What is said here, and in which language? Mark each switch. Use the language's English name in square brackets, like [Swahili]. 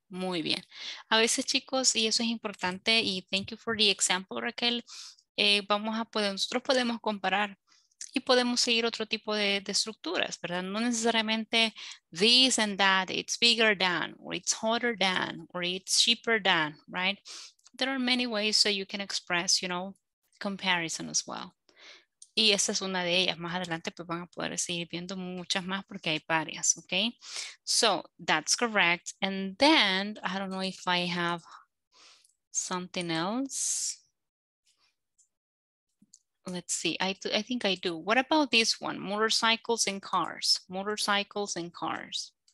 [Spanish] Muy bien. A veces, chicos, y eso es importante, y [English] thank you for the example, [Spanish] Raquel, nosotros podemos comparar y podemos seguir otro tipo de estructuras, ¿verdad? No necesariamente [English] this and that, it's bigger than, or it's hotter than, or it's cheaper than, right? There are many ways so you can express, you know, comparison as well. [Spanish] Y esa es una de ellas. Más adelante pues van a poder seguir viendo muchas más porque hay varias, okay? [English] So, that's correct. And then, I don't know if I have something else. Let's see, I think I do. What about this one? Motorcycles and cars. Motorcycles and cars.